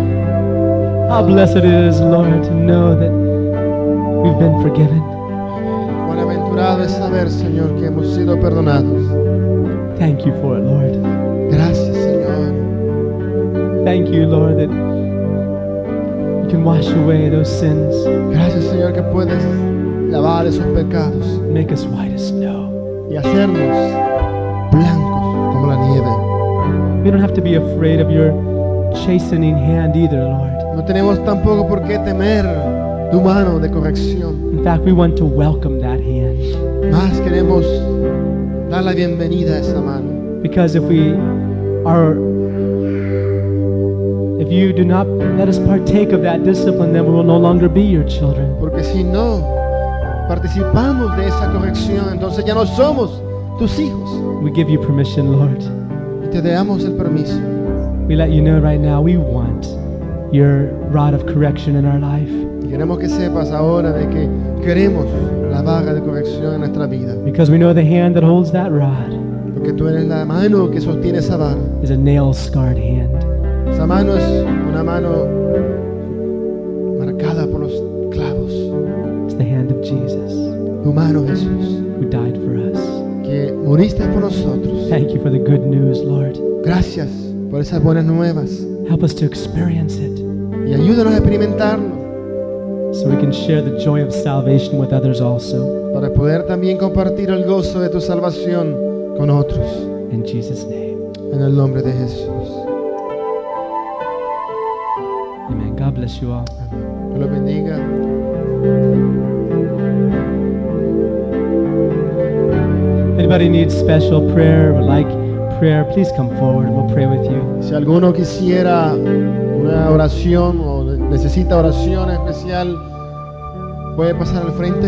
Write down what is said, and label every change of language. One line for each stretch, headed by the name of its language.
English: Blessed it is, Lord, to know that we've been forgiven.
Spanish: Buenaventurado es saber, Señor, que hemos sido perdonados.
English: Thank you for it, Lord.
Spanish: Gracias, Señor.
English: Thank you, Lord, that you can wash away those sins.
Spanish: Gracias, Señor, que puedes lavar esos pecados.
English: Make us white as snow.
Spanish: Y hacernos blancos como la nieve.
English: We don't have to be afraid of your chastening hand either, Lord.
Spanish: No tenemos tampoco por qué temer tu mano de corrección.
English: In fact, we want to welcome that hand.
Spanish: Más queremos dar la bienvenida a esa mano.
English: Because if we are, if you do not let us partake of that discipline, then we will no longer be your children.
Spanish: Porque si no participamos de esa corrección, entonces ya no somos tus hijos.
English: We give you permission, Lord.
Spanish: Y te damos el permiso.
English: We let you know right now, we want your rod of correction in our life.
Spanish: Queremos que sepas ahora de que queremos la vara de corrección en nuestra vida.
English: Because we know the hand that holds that rod.
Spanish: Porque tú eres la mano que sostiene esa vara.
English: Is a nail-scarred hand.
Spanish: Esa mano es una mano marcada por los clavos.
English: It's the hand of Jesus.
Spanish: Tu mano, Jesús.
English: Who died for us.
Spanish: Que moriste por nosotros.
English: Thank you for the good news, Lord.
Spanish: Gracias por esas buenas nuevas.
English: Help us to experience it.
Spanish: Y ayúdanos a experimentarlo.
English: So we can share the joy of salvation with others also.
Spanish: Para poder también compartir el gozo de tu salvación con otros.
English: In Jesus' name.
Spanish: En el nombre de Jesús.
English: Amen. God bless you all.
Spanish: Dios los bendiga.
English: Anybody needs special prayer or like prayer, please come forward and we'll pray with you.
Spanish: Si alguno quisiera una oración o necesita oración especial, puede pasar al frente.